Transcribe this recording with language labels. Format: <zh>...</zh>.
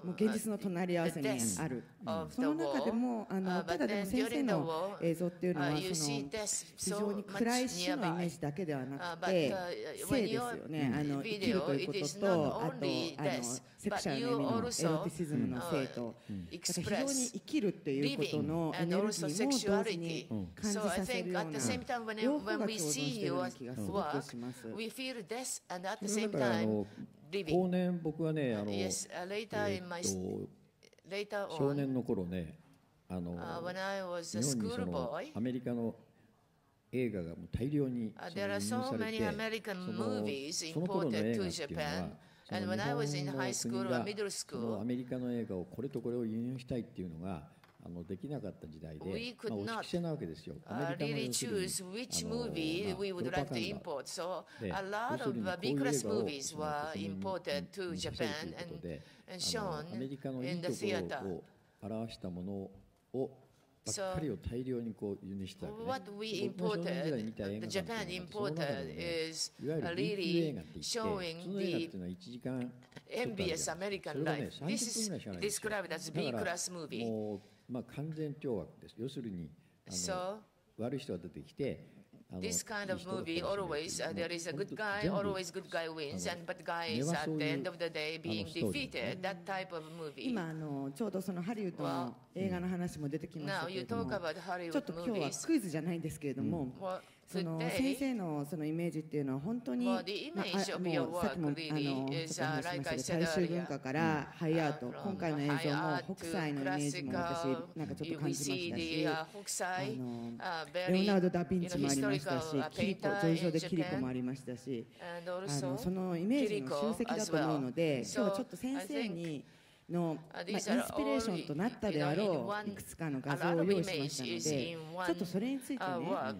<ja>現実の隣り合わせにある。その中でも、ただでも先生の映像っていうのは、非常に暗い死のイメージだけではなくて、生ですよね。生きるということと、あとセクシャルのエロティシズムの生と、非常に生きるということのエネルギーも同時に感じさせるような両方が共存しているような気がすごくします。</ja> <en>We feel this and at the same time living.</en> <ja>後年僕はね、</ja> <en>yes, later in my later on,</en> <ja>少年の頃ね、</ja> <en>when I was a school boy,</en> <ja>アメリカの映画がもう大量に輸入されて、</ja> <en>there are so many American movies imported to Japan. And when I was in high school or middle school,</en> <ja>アメリカの映画をこれとこれを輸入したいっていうのができなかった時代で、</ja> <en>we could not、</en> <ja>まあ、おしきせなわけですよ。</ja> <en>Really choose which movie we would like to import. So a lot of big class movies were imported to Japan and shown in the theater.</en> <ja>を表したものをばっかりを大量にこう輸入したわけ、ね、</ja> <en>so, what we imported, the Japan imported is really showing the envious American life. This is described as B-class movie.</en> <ja>もう、まあ、完全凶悪です。要するに、</ja> <en>so,</en> <ja>悪い人が出てきて、</ja> <en>This kind of movie always there is a good guy, always good guy wins, and but guys at the end of the day being defeated. That type of movie.</en> <ja>今ちょうどそのハリウッドの映画の話も出てきましたけれども、ちょっと今日はクイズじゃないんですけれども、その先生のそのイメージっていうのは本当に、まあ、もうさっきも大衆文化からハイアート、今回の映像も北斎のイメージも私なんかちょっと感じましたし、レオナルド・ダ・ヴィンチもありましたし、キリコ、上昇でキリコもありましたし、そのイメージの集積だと思うので、今日はちょっと先生にの、まあ、インスピレーションとなったであろういくつかの画像を用意しましたので、ちょっとそれについてね、</ja>